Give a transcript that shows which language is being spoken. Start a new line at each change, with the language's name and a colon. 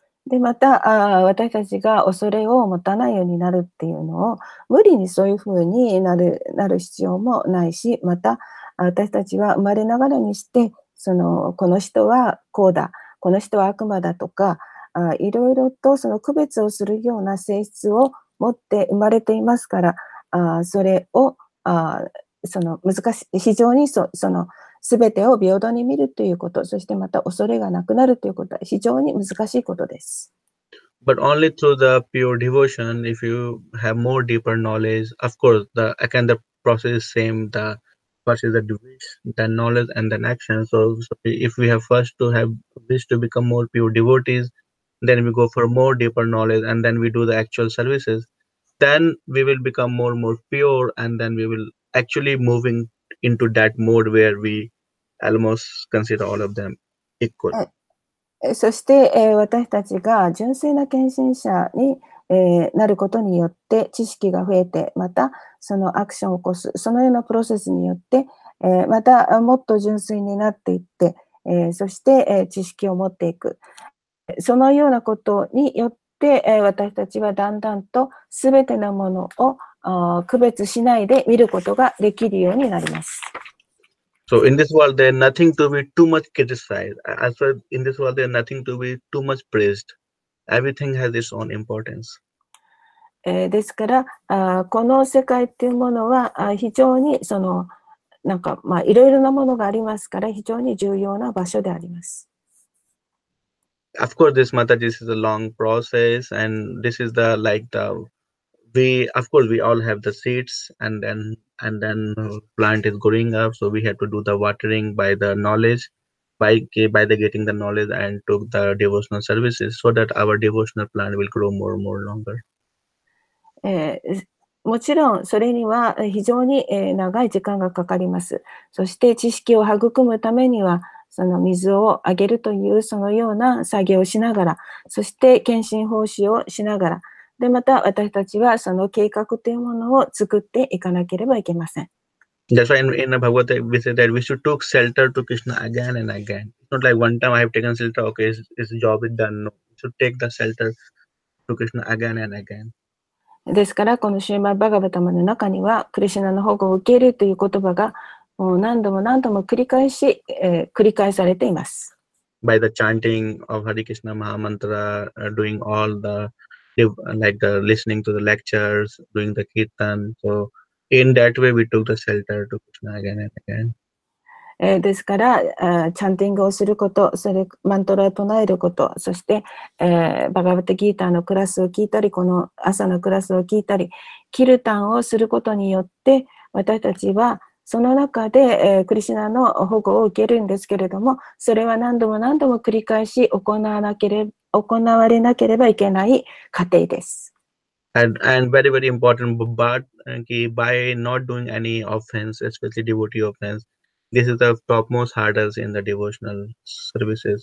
Japanese: でまた私たちが恐れを持たないようになるっていうのを無理にそういうふうになる必要もないし、また私たちは生まれながらにしてそのこの人はこうだ、この人は悪魔だとか、いろいろとその区別をするような性質を持って生まれていますから、それをその難しい、非常にその全てを平等に見るということ、そしてまた恐れがなくなるということは非常に難しいことです。
English: But only through the pure devotion, if you have more deeper knowledge, of course, again, the process is same, the first is the wish, then knowledge, and then action. So if we have first to have wish to become more pure devotees, then we go for more deeper knowledge, and then we do the actual services, then we will become more and more pure, and then we will actually moving. Into that mode where we almost consider all of them equal.
Japanese: そして、私たちが純粋な献身者に、なることによって知識が増えて、またそのアクションを起こす、そのようなプロセスによって、またもっと純粋になっていって、そして、知識を持っていく。そのようなことによって、私たちはだんだんと全てのものを区別しないで見ることができるようになります。
English: So in this world, there is nothing to be too much criticized. As well, in this world, there is nothing to be too much praised. Everything has its own importance.
Japanese: ですから、この世界っていうものは非常にそのなんかまあいろいろなものがありますから非常に重要な場所であります。
English: Of course, this Mataji is a long process, and this is the like the. We, of course, we all have the seeds and then plant is growing up. So we have to do the watering by the knowledge, by the getting the knowledge and to the devotional services so that our devotional plant will grow more and more longer.
Japanese: もちろんそれには非常に長い時間がかかります。そして知識を育むためにはその水をあげるというそのような作業をしながら、そして献身奉仕をしながら、でまた私たちはその計画というものを作っていかなければいけません。
English: That's why in Bhagavata we say that we should take shelter to Krishna again and again. It's not like one time I have taken shelter, okay, it's job is done. No, we should take the shelter to Krishna again and again.
Japanese: ですからこのシューマーバガバタマの中にはクリシナの保護を受けるという言葉がもう何度も何度も繰り返し、繰り返されています。
English: By the chanting of Hare Krishna Mahamantra, doing all theLike the listening to the lectures, doing the kirtan. So in that way, we took the shelter to Krishna again and again.
Japanese: ですから、chanting をすること、それマントラを唱えること、そして、バガヴァッタ・ギーターのクラスを聞いたり、この朝のクラスを聞いたり、キルタンをすることによって、私たちはその中で、クリシナの保護を受けるんですけれども、それは何度も何度も繰り返し行われなければいけない過程です。
English: And very, very important, but by not doing any offense, especially devotee offense, this is the topmost hurdles in the devotional services.